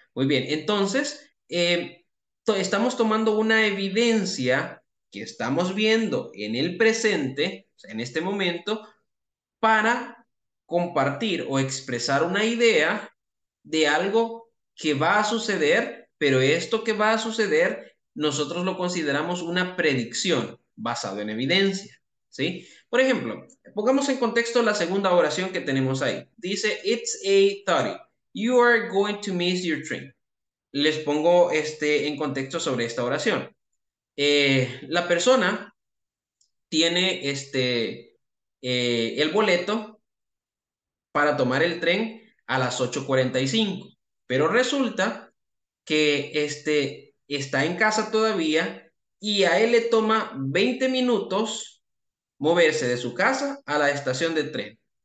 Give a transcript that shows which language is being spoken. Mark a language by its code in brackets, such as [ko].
[es] Muy bien, entonces, estamos tomando una evidencia que estamos viendo en el presente, en este momento, para compartir o expresar una idea de algo que va a suceder, pero esto que va a suceder nosotros lo consideramos una predicción basado en evidencia, ¿sí? Por ejemplo, pongamos en contexto la segunda oración que tenemos ahí. Dice, [en] it's 8:30, you are going to miss your train. [es] Les pongo en contexto sobre esta oración. La persona tiene el boleto para tomar el tren a las 8:45. Pero resulta que está en casa todavía y a él le toma 20 minutos moverse de su casa a la estación de tren.